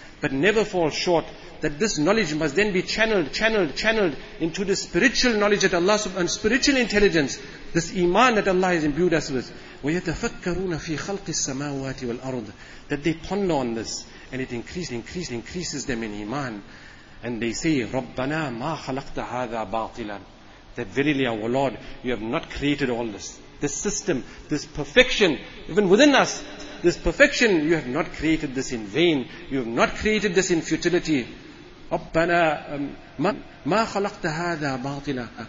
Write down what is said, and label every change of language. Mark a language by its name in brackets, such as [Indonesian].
[English] But never fall short that this knowledge must then be channeled into the spiritual knowledge that Allah subhanahu wa ta'ala, and spiritual intelligence, this iman that Allah has imbued us with. [Arabic] وَيَتَفَكَّرُونَ فِي خَلْقِ السَّمَاوَاتِ وَالْأَرْضِ. [English] That they ponder on this, and it increases them in iman. And they say, [Arabic] رَبَّنَا مَا خَلَقْتَ هَذَا بَاطِلًا. [English] That verily, our Lord, you have not created all this. This system, this perfection, even within us, this perfection, you have not created this in vain. You have not created this in futility. [Arabic] رَبَّنَا مَا خَلَقْتَ هَذَا بَاطِلًا.